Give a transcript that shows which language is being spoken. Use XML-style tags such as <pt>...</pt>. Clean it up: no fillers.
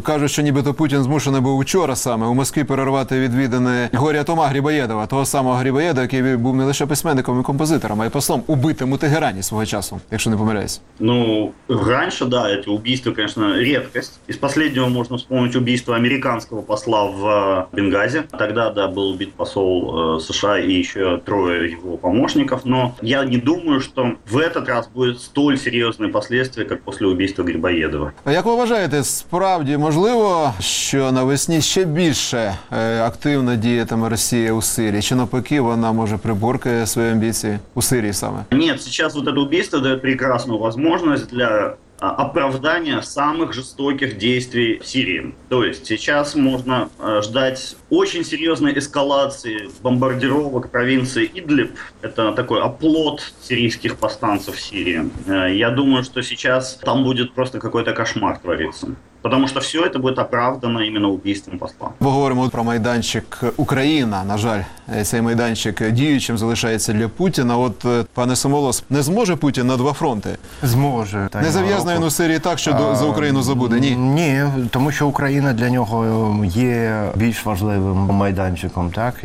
<uk>Кажуть, що нібито Путін змушений був вчора саме у Москві перервати відвідини Горя Тома Грибоєдова, того самого Грибоєдова, який був не лише письменником і композитором, а й послом, убитим у Тегерані свого часу, якщо не помиляюсь. Ну, раніше, да, це вбивство, звісно, рідкість. Із останнього можна вспомнити вбивство американського посла в Бенгазі. Тоді, да, був убит посол США і ще троє його помічників,</uk> <ru>но я не думаю, что в этот раз будет столь серьезные последствия, как после убийства Грибоедова.</ru> <uk>Як ви вважаєте, справді можливо, що навесні ще більше активно діятиме Росія у Сирії? Чи навпаки, вона може приборкає свої амбіції у Сирії саме?</uk> <ru>Ні, зараз вот это убийство дает прекрасную возможность для оправдания самых жестоких действий в Сирии. То есть сейчас можно ждать очень серьезной эскалации бомбардировок провинции Идлиб. Это такой оплот сирийских повстанцев в Сирии. Я думаю, что сейчас там будет просто какой-то кошмар твориться. Потому что все это будет оправдано именно убийством посла. Мы говорим про майданчик Украина.</ru> <uk>На жаль, цей майданчик діючим залишається для Путіна. От, пане Самолос, не зможе Путін на два фронти? Зможе. Не зав'язане він у Сирії так, що за Україну забуде? Ні? Ні, тому що Україна для нього є більш важливим майданчиком. Так?</uk>